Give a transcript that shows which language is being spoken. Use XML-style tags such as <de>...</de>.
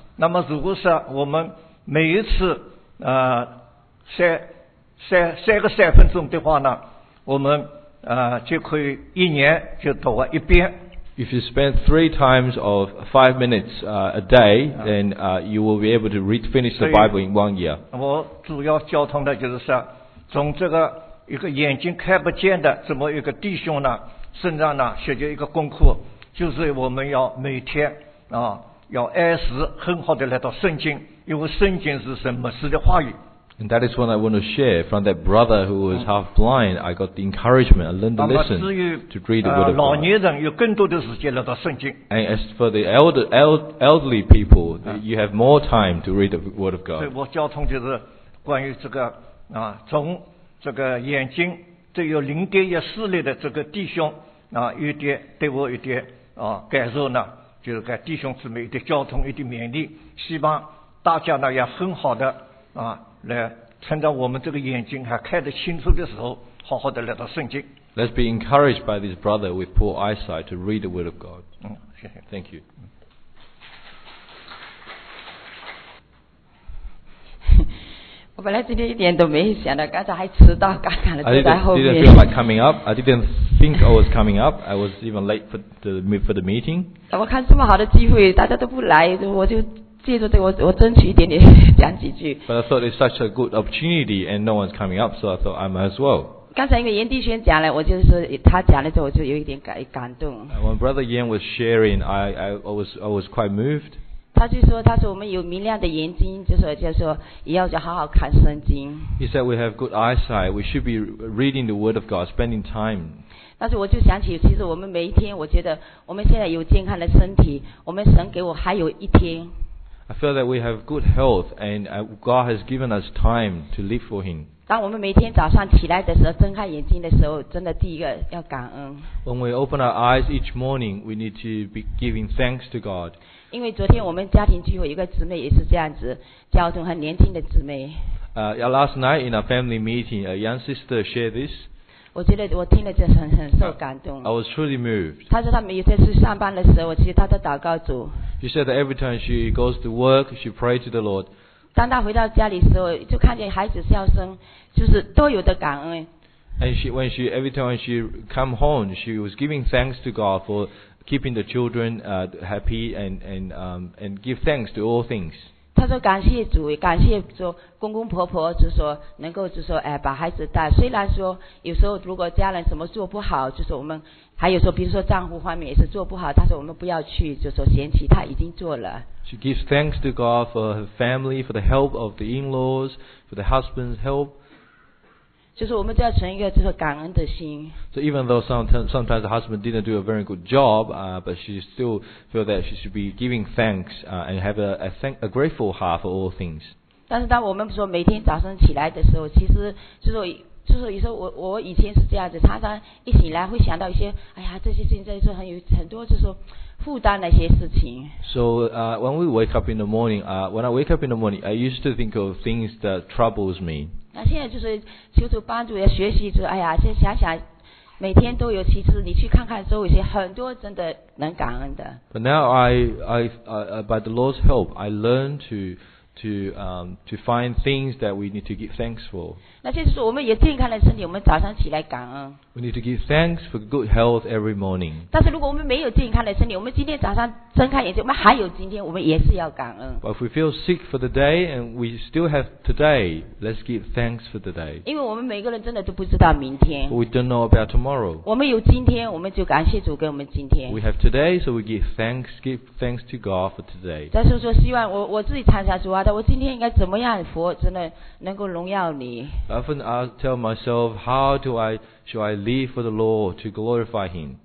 <zh>那么如果说我们每一次三分钟的话呢，我们就可以一年就读完一遍。</zh> <en>If you spend 3 times of 5 minutes a day, then you will be able to finish the Bible in 1 year.</en> <zh>我主要交通的就是说，从这个一个眼睛开不见的这么一个弟兄呢，身上呢写着一个功课，就是我们要每天啊要按时很好的来到圣经，因为圣经是神默示的话语。</zh> <en>And that is what I want to share from that brother who was half blind. I got the encouragement. I learned to listen to read the word of God.</en> <zh>老年人有更多的时间来到圣经。</zh> <en>And as for the elderly people, you have more time to read the word of God.</en> <zh>对我交通就是关于这个啊，从这个眼睛都有零点一视力的这个弟兄啊，有点对我有点啊感受呢，就是给弟兄姊妹一点交通，一点勉励，希望大家呢要很好的啊。来趁着我们这个眼睛还看得清楚的时候好好的来到圣经。</zh> <en>Let's be encouraged by this brother with poor eyesight to read the word of God.</en> <zh>谢谢。</zh> <en>Thank you.</en> <zh>我本来今天一点都没想到，刚才还迟到，刚刚坐在后面。</zh> <en>I didn't feel like coming up. I didn't think I was coming up. I was even late for the meeting.</en> <zh>我看这么好的机会大家都不来，我就借着这个，我争取一点点讲几句。</zh> <en>But I thought it's such a good opportunity, and no one's coming up, so I thought I might as well.</en> <zh>刚才因为严弟兄讲了，我就是他讲了之后，我就有一点感动。</zh> <en>When Brother Yan was sharing, I was quite moved.</en> <zh>他说我们有明亮的眼睛，就说也要好好看圣经。</zh> <en>He said we have good eyesight. We should be reading the Word of God, spending time.</en> <zh>但是我就想起，其实我们每一天，我觉得我们现在有健康的身体，我们神给我还有一天。</zh> <en>I feel that we have good health and God has given us time to live for Him.</en> <zh>当我们每天早上起来的时候，睁开眼睛的时候，真的第一个要感恩。</zh> <en>When we open our eyes each morning, we need to be giving thanks to God.</en> <zh>因为昨天我们家庭聚会，一个姊妹也是这样子，交通很年轻的姊妹。</zh> <en>Last night in a family meeting, a young sister shared this.</en> <zh>我觉得我听了就很受感动。</zh> <en>I was truly moved.</en> <zh>他说他每天去上班的时候，我其实他在祷告主。</zh> <en>She said that every time she goes to work, she prays to the Lord.</en> <zh>当他回到家里的时候，就看见孩子笑声，就是多有的感恩。</zh> <en>And every time she come home, she was giving thanks to God for keeping the children happy and give thanks to all things.</en> <zh>他说感谢主，感谢说公公婆婆，就说能够就说哎把孩子带，虽然说有时候如果家人什么做不好，就是我们还有说比如说丈夫方面也是做不好，他说我们不要去，就说嫌弃他已经做了。</zh> <en>She gives thanks to God for her family, for the help of the in-laws, for the husband's help.</en> <zh>就是我们就要存一个就是感恩的心。</zh> <en>So even though sometimes the husband didn't do a very good job, but she still feel that she should be giving thanks, and have a grateful heart for all things.</en> <zh>但是当我们说每天早上起来的时候，其实就是有时候我以前是这样子，常常一醒来会想到一些，哎呀，这些事情真的是很多就是说负担那些事情。</zh> <en>So, when we wake up in the morning, I used to think of things that troubles me.</en> <zh>那现在就是求主帮助，要学习，就哎呀，先想想。每天都有，其实你去看看周围，些很多真的能感恩的。</zh> <en>But now I by the Lord's help, I learn to find things that we need to give thanks for.</en> <zh>那就是我们也健康的身体，我们早上起来感恩。</zh> <en>We need to give thanks for good health every morning.</en> <zh>但是如果我们没有健康的身体，我们今天早上睁开眼睛，我们还有今天，我们也是要感恩。</zh> <en>But if we feel sick for the day and we still have today, let's give thanks for the day.</en> <zh>因为我们每个人真的都不知道明天。</zh> <en>We don't know about tomorrow.</en> <zh>我们有今天，我们就感谢主给我们今天。</zh> <en>We have today, so we give thanks to God for today.</en> <zh>但是说希望我自己常常说啊，我今天应该怎么样活，真的能够荣耀你。</zh> <en>I often tell myself, how do I should I live for the Lord to glorify Him?</en>